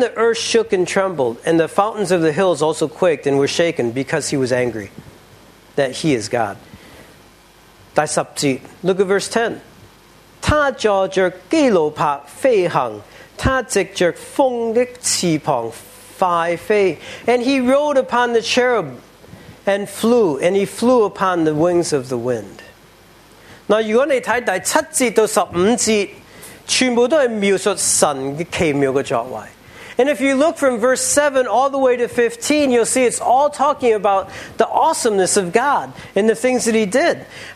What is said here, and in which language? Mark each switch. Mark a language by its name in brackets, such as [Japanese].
[English] the earth shook and trembled, and the fountains of the hills also quaked and were shaken, because he was angry that he is God. [Chinese] 第十节， [English] look at verse 10. [Chinese] 他坐着基路伯飞行，他藉着风的翅膀快飞， [English] and he rode upon the cherub and flew, and he flew upon the wings of the wind. [Chinese] 那如果你看第七节到十五节，全部都是描述神奇妙的作为。 [English] And if you look from verse 7 all the way to 15, you'll see it's all talking about the awesomeness of God and the things that he did.